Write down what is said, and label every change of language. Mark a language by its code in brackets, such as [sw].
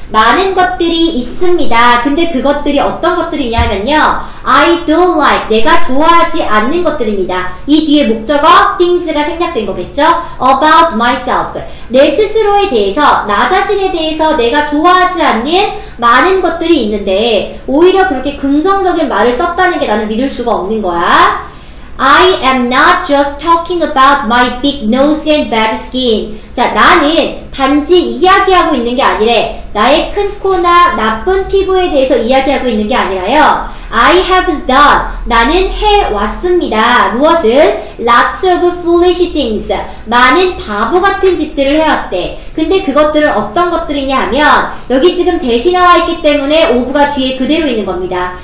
[ko] 많은 것들이 있습니다. 근데 그것들이 어떤 것들이냐면요, [en] I don't like, [ko] 내가 좋아하지 않는 것들입니다. 이 뒤에 목적어 things가 생략된 거겠죠. [en] About myself, [ko] 내 스스로에 대해서, 나 자신에 대해서 내가 좋아하지 않는 많은 것들이 있는데 오히려 그렇게 긍정적인 말을 썼다는 게 나는 믿을 수가 없는 거야. [en] I am not just talking about my big nose and bad skin. [ko] 자, 나는 단지 이야기하고 있는 게 아니래. 나의 큰 코나 나쁜 피부에 대해서 이야기하고 있는 게 아니라요. [en] I have done. [ko] 나는 해왔습니다. 무엇을? [en] Lots of foolish things. [ko] 많은 바보 같은 짓들을 해왔대. 근데 그것들은 어떤 것들이냐 하면 여기 지금 대시 나와 있기 때문에 오브가 뒤에 그대로 있는 겁니다.